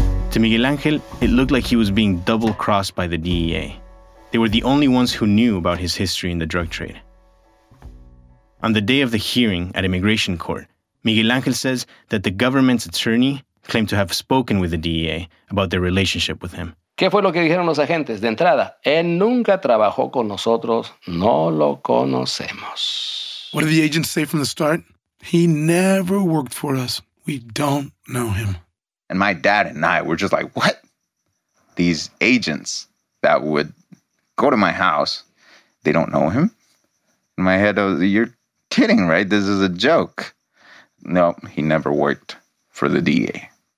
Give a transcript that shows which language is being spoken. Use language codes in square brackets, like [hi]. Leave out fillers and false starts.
[en] To Miguel Ángel, it looked like he was being double-crossed by the DEA. They were the only ones who knew about his history in the drug trade. On the day of the hearing at immigration court, Miguel Ángel says that the government's attorney claimed to have spoken with the DEA about their relationship with him. [es] ¿Qué fue lo que dijeron los agentes? De entrada, él nunca trabajó con nosotros, no lo conocemos. [en] What did the agents say from the start? He never worked for us. We don't know him. And my dad and I were just like, what? These agents that would go to my house, they don't know him? In my head, I was, you're kidding, right? This is a joke. No, he never worked for the DEA.